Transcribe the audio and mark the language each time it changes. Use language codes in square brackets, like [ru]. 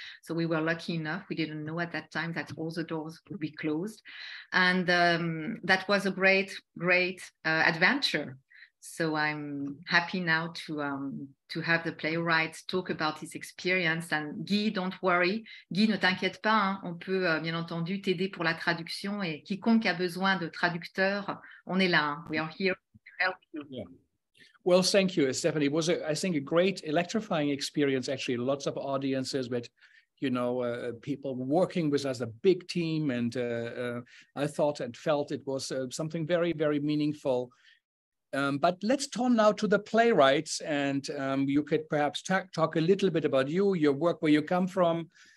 [en] So we were lucky enough. We didn't know at that time that all the doors would be closed, and that was a great adventure. So I'm happy now to have the playwrights talk about his experience. And Guy, don't worry. [fr] Guy, ne t'inquiète pas. Hein. On peut, bien entendu, t'aider pour la traduction. Et quiconque a besoin de traducteur, on est là. [en] Hein. We are here to help you. Yeah. Well, thank you, Stéphanie. It was, I think, a great electrifying experience, actually. Lots of audiences, but, you know, people working with us, a big team. And I thought and felt it was something very, very meaningful. But let's turn now to the playwrights, and you could perhaps talk a little bit about you, your work, where you come from.